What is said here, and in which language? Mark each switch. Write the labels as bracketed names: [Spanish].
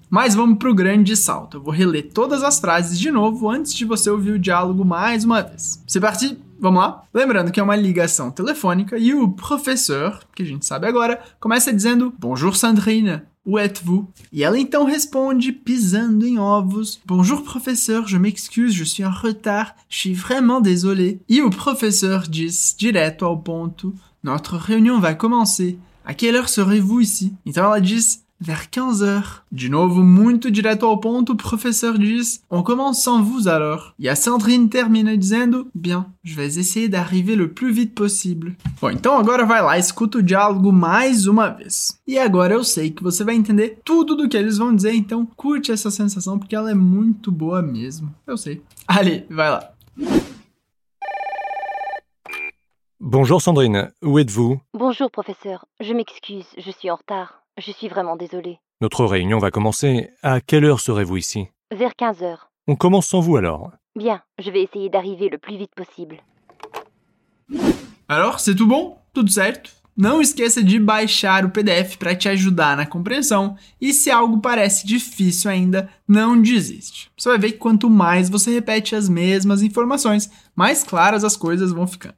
[Portuguese] Mas vamos pro grande salto. Eu vou reler todas as frases de novo antes de você ouvir o diálogo mais uma vez. [French] C'est parti, [Portuguese] vamos lá? Lembrando que é uma ligação telefônica e o professor, que a gente sabe agora, começa dizendo [French] Bonjour Sandrine. Où êtes-vous? [Portuguese] E ela então responde, pisando em ovos. [French] Bonjour, professeur, je m'excuse, je suis en retard, je suis vraiment désolé. [Portuguese] E o professeur diz, direto ao ponto, [French] notre réunion va commencer. À quelle heure serez-vous ici? [Portuguese] Então ela diz, [French] vers 15h. [Portuguese] De novo, muito direto ao ponto, o professeur diz, [French] on commence sans vous alors. [Portuguese] E a Sandrine termina dizendo, [French] bien, je vais essayer d'arriver le plus vite possible. [Portuguese] Bom, então agora vai lá, escuta o diálogo mais uma vez. E agora eu sei que você vai entender tudo do que eles vão dizer, então curte essa sensação, porque ela é muito boa mesmo. Eu sei. Allez, vai lá. [French] Bonjour Sandrine, où êtes-vous? Bonjour professeur, je m'excuse, je suis en retard. Je suis vraiment désolée. Notre réunion va commencer. À quelle heure serez-vous ici? Vers 15h. On commence sans vous alors. Bien, je vais essayer d'arriver le plus vite possible. Alors, c'est tout bon? [Portuguese] Tudo certo? Não esqueça de baixar o PDF para te ajudar na compreensão. E se algo parece difícil ainda, não desiste. Você vai ver que quanto mais você repete as mesmas informações, mais claras as coisas vão ficando.